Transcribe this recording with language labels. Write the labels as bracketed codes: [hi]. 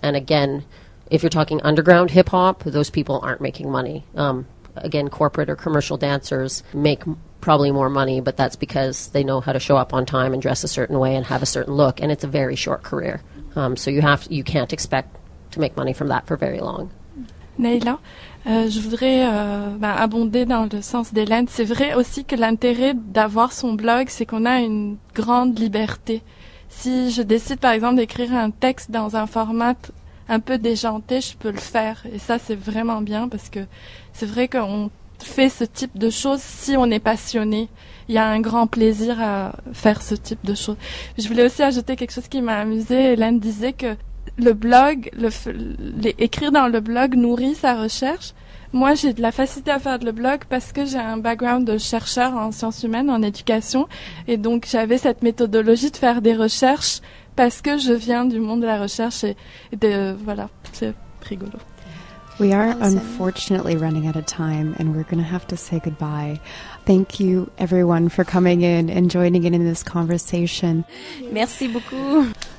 [en] And again, if you're talking underground hip-hop, those people aren't making money. Again, corporate or commercial dancers make probably more money, but that's because they know how to show up on time and dress a certain way and have a certain look, and it's a very short career. So you can't expect to make money from that for very long. [fr] Naila, je voudrais abonder dans le sens d'Hélène. C'est vrai aussi que l'intérêt d'avoir son blog, c'est qu'on a une grande liberté. Si je décide, par exemple, d'écrire un texte dans un format un peu déjanté, je peux le faire. Et ça, c'est vraiment bien, parce que c'est vrai qu'on fait ce type de choses si on est passionné. Il y a un grand plaisir à faire ce type de choses. Je voulais aussi ajouter quelque chose qui m'a amusée. Hélène disait que le blog, écrire dans le blog nourrit sa recherche. Moi, j'ai de la facilité à faire de le blog parce que j'ai un background de chercheur en sciences humaines, en éducation. Et donc, j'avais cette méthodologie de faire des recherches parce que je viens du monde de la recherche. Voilà, c'est rigolo. [en] We are unfortunately running out of time, and we're going to have to say goodbye. Thank you, everyone, for coming in and joining in this conversation. [fr] Merci beaucoup.